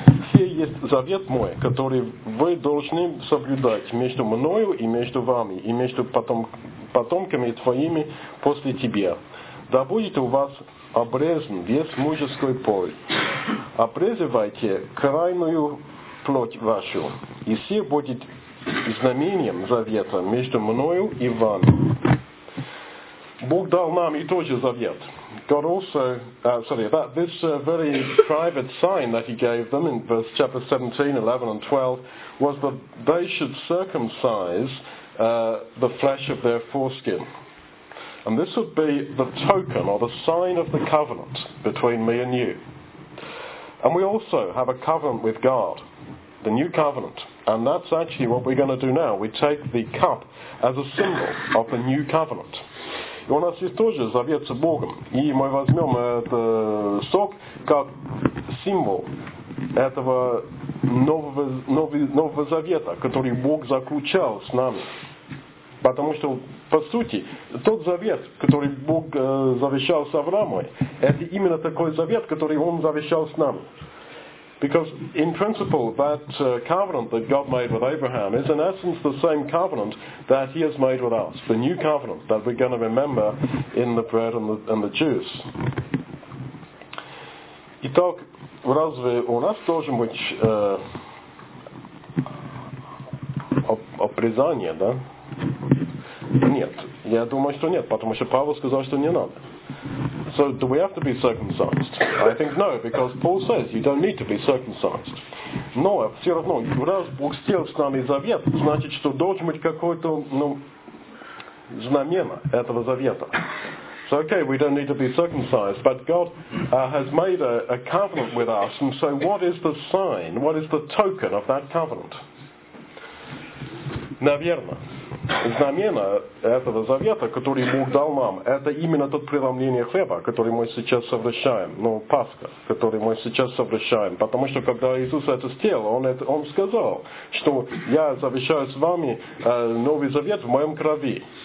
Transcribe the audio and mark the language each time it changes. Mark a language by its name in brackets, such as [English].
[Russian] «Все есть завет мой, который вы должны соблюдать между мною и между вами, и между потомками твоими после тебя. Да будет у вас обрезан весь мужеский пол. Обрезывайте крайнюю плоть вашу, и все будет знамением завета между мною и вами». Бог дал нам и тоже завет. [English] God also, very private sign that he gave them in verse chapter 17, 11 and 12 was that they should circumcise the flesh of their foreskin. And this would be the token or the sign of the covenant between me and you. And we also have a covenant with God, the new covenant. And that's actually what we're going to do now. We take the cup as a symbol of the new covenant. [Russian] И у нас есть тоже завет с Богом. И мы возьмем этот сок как символ этого нового завета, который Бог заключал с нами. Потому что, по сути, тот завет, который Бог завещал с Авраамом, это именно такой завет, который Он завещал с нами. [English] Because in principle, that covenant that God made with Abraham is in essence the same covenant that he has made with us, the new covenant that we're going to remember in the bread and the juice. [Russian] Итак, разве у нас должен быть обрезание, да? Нет, я думаю, что нет, потому что Павел сказал, что не надо. [English] So do we have to be circumcised? I think no, because Paul says you don't need to be circumcised. [Russian] Но все равно, раз Бог сделал с нами завет, значит, что должен быть какой-то знамена этого завета. [English] So okay, we don't need to be circumcised, but God has made a covenant with us, and so what is the sign, what is the token of that covenant? [Russian] Наверное, знамена этого завета, который Бог дал нам, это именно тот преломление хлеба, который мы сейчас совращаем, Пасха, который мы сейчас совращаем. Потому что когда Иисус это сделал, Он сказал, что я завещаю с вами новый завет в моем крови.